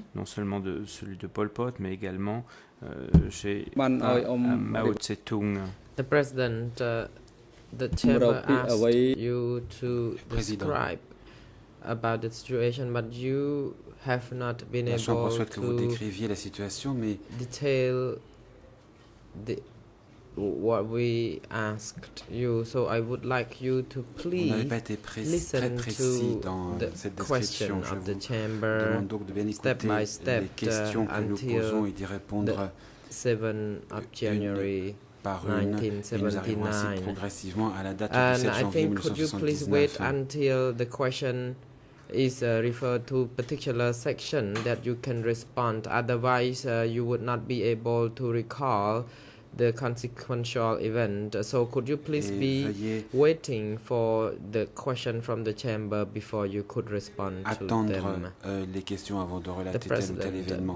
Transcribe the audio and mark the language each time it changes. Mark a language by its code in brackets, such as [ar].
[fr] Non seulement de celui de Pol Pot, mais également chez Mao Zedong. [en] The president, the chair asked you to describe about the situation, but you have not been able to detail the what we asked you, so I would like you to please listen to the question of the chamber step by step until the 7th of January 1979. And I think, could you please wait until the question is referred to a particular section that you can respond, otherwise you would not be able to recall the consequential event. So could you please be waiting for the question from the chamber before you could respond to them? [fr] Attendre les questions avant de relater tel ou tel événement.